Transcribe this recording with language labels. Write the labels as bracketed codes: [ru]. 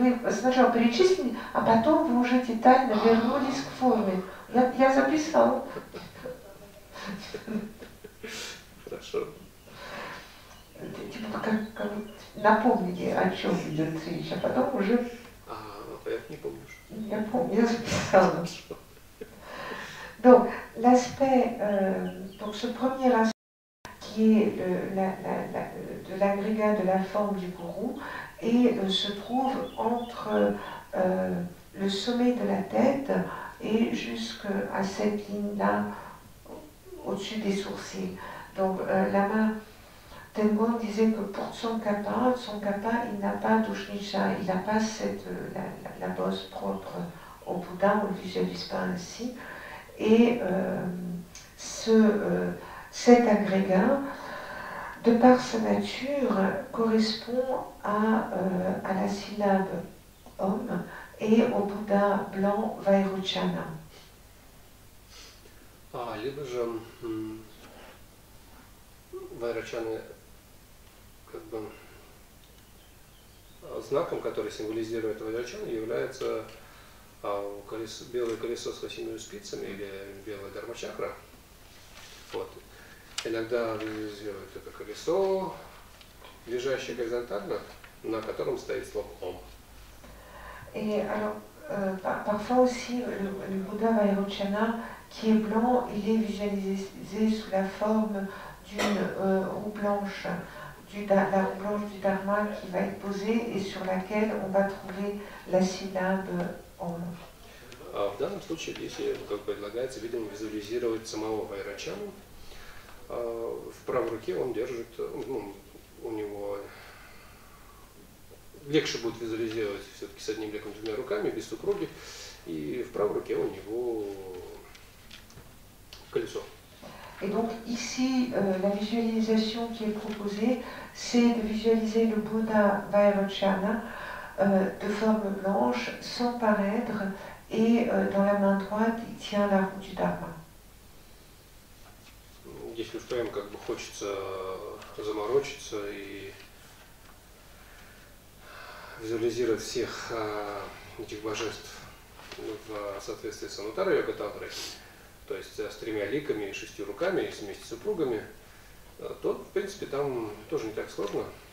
[ru] Сначала перечислили, а потом вы уже детально вернулись к форме. Я записал. Хорошо. Типа как напомните, о чем идет речь, а потом уже. Я не помню. Я помню, я записала. [fr] Donc l'aspect, donc ce premier aspect qui est de l'agrégat de la forme du gourou et se trouve entre le sommet de la tête et jusqu'à cette ligne-là au-dessus des sourcils. Donc Lama Tenmon disait que pour Tsongkhapa, il n'a pas d'ushnisha, il n'a pas cette, la bosse propre au Bouddha, on ne le visualise pas ainsi. Et cet agrégat, de par sa nature, correspond à la syllabe OM et au Bouddha blanc Vairochana. [ru] Ah, либо же Vairochana, как бы знаком, который символизирует Vairochana, является белое колесо с восьмью спицами или белая дармачакра. Вот. Иногда визуализирует это колесо, лежащее горизонтально, на котором стоит слово «Ом». И, [fr] parfois aussi, le Bouddha Vairochana, qui est blanc, il est visualisé sous la forme d'une roue blanche, la roue blanche du Dharma qui va être posée et sur laquelle on va trouver la syllabe Om. [ru] В данном случае, если как предлагается, видимо, визуализировать самого Вайрачану, в правой руке он держит, ну, у него легче будет визуализировать все-таки с одним леком двумя руками, без супруги, и в правой руке у него колесо. [fr] Et donc ici, la visualisation qui est proposée, c'est de visualiser le Bouddha Vairochana de forme blanche, sans paraître, et dans la main droite, il tient la roue du Dharma. [ru] Если что, им как бы хочется заморочиться и визуализировать всех этих божеств в соответствии с анутара-йога-тантрой, то есть с тремя ликами, шестью руками и вместе с супругами, то, в принципе, там тоже не так сложно.